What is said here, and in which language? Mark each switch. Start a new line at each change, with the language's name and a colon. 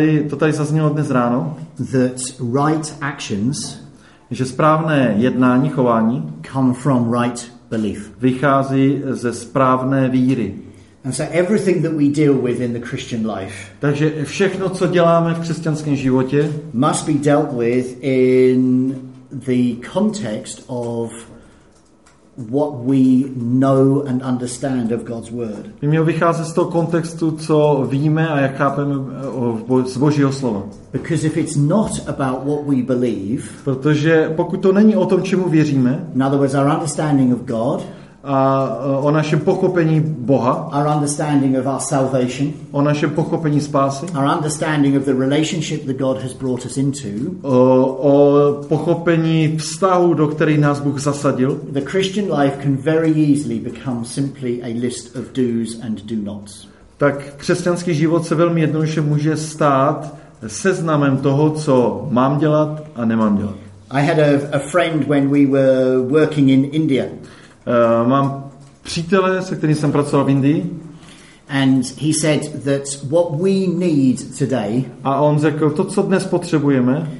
Czech: To tady zaznělo dnes ráno.
English: That right actions,
Czech: že správné jednání, chování,
English: come from right belief.
Czech: Vychází ze správné víry.
English: And so everything that we deal with in the Christian life,
Czech: takže všechno, co děláme v křesťanském životě,
English: must be dealt with in the context of what we know and understand of God's word.
Czech: By měl vycházet z toho kontextu, co víme a jak chápeme z Božího slova.
English: Because if it's not about what we believe,
Czech: protože pokud to není o tom, čemu věříme,
English: in other words, our understanding of God,
Czech: a o našem pochopení Boha,
English: our understanding of our salvation,
Czech: o našem pochopení spásy,
English: our understanding of the relationship that God has brought us into,
Czech: o pochopení vztahu, do který nás Bůh zasadil,
English: the Christian life can very easily become simply a list of do's and do nots.
Czech: Tak křesťanský život se velmi jednoduše může stát seznamem toho, co mám dělat a nemám dělat.
English: I had a friend when we were working in India.
Czech: Mám přítele, se kterým jsem pracoval v Indii.
English: And he said that what we need today,
Czech: a on řekl, to, co dnes potřebujeme,